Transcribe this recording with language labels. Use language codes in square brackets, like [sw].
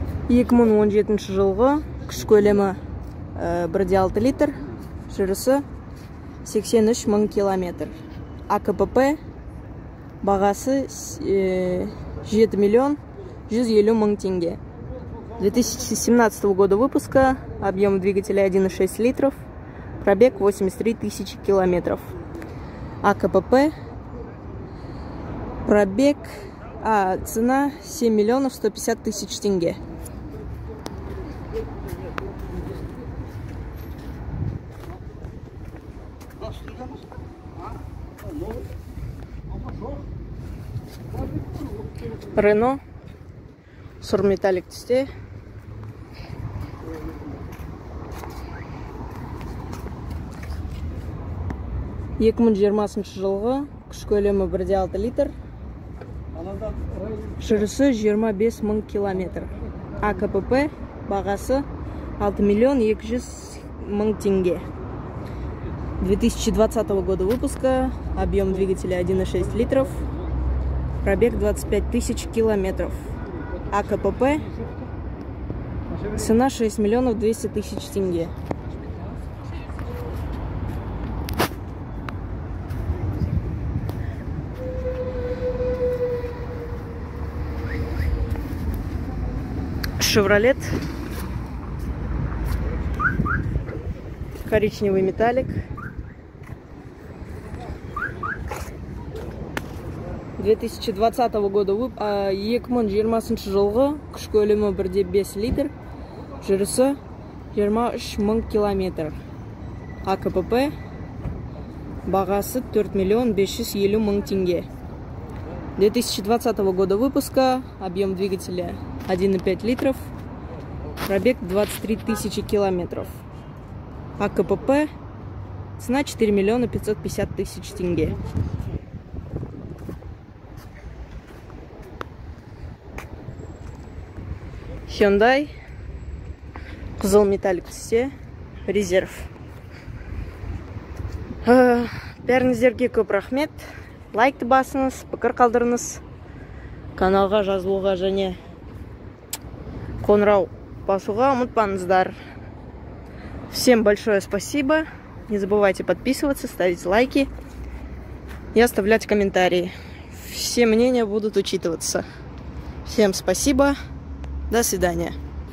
[kk] Екі мың он жетінші жылғы, күш көлемі 1,6 литр, жүрісі 83 000 километр, АКПП, бағасы 7 150 000 тенге. [ru] 2017 года выпуска, объем двигателя 1,6 литров, пробег 83 000 километров, АКПП, пробег, цена 7 150 000 тенге. [kk] Рено, сұр металлик түсте. Екі мың жиырмасыншы жылғы, күш көлемі 1,6 литр, жүрісі 25 000 километр, АКПП, бағасы 6 200 000 тенге. [ru] 2020 года выпуска, объем двигателя 1,6 литров, пробег 25 000 километров, АКПП, цена 6 200 000 тенге. Шевролет, коричневый металлик. 2020 года [kk] екі мың жиырмасыншы жылғы, күш көлемі 1,5 литр, жүрісі 23 000 километр, АКПП, бағасы 4 550 000 тенге. [ru] 2020 года выпуска, объем двигателя 1,5 литров, пробег 23 тысячи километров, АКПП, цена 4 миллиона 550 тысяч тенге. [kk] Hyundai, кызыл металлик түсте, резерв. Бәріңіздерге көп рахмет. Лайкты басыңыз, пікір қалдырыңыз. Каналға жазылуға және қоңырау басуға ұмытпаңыздар. [ru] Всем большое спасибо. Не забывайте подписываться, ставить лайки и оставлять комментарии. Все мнения будут учитываться. Всем спасибо. До свидания.